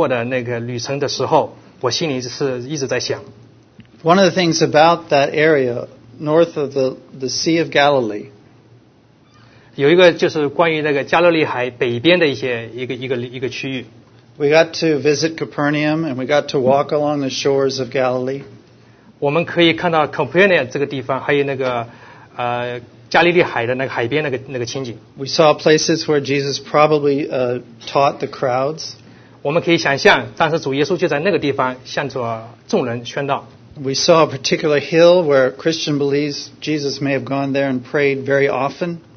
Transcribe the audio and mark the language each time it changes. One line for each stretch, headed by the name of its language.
Chinese: 当我们走在以前我们的主耶稣所经过的那个旅程的时候，我心里是一直在想，
English: One of the things about that area north of the Sea of Galilee.
Chinese: 有一个就是关于那个加勒利海北边的一个区域。
English: We got to visit Capernaum and we got to walk along the shores of Galilee.
Chinese: 我们可以看到 Capernaum 这个地方，还有那个加利利海的那个海边那个情景。
English: We saw places where Jesus probably taught the crowds.
Chinese: 我们可以想象，当时主耶稣就在那个地方向着众人宣道。
English: We saw a particular hill where Christian believes Jesus may have gone there and prayed very often.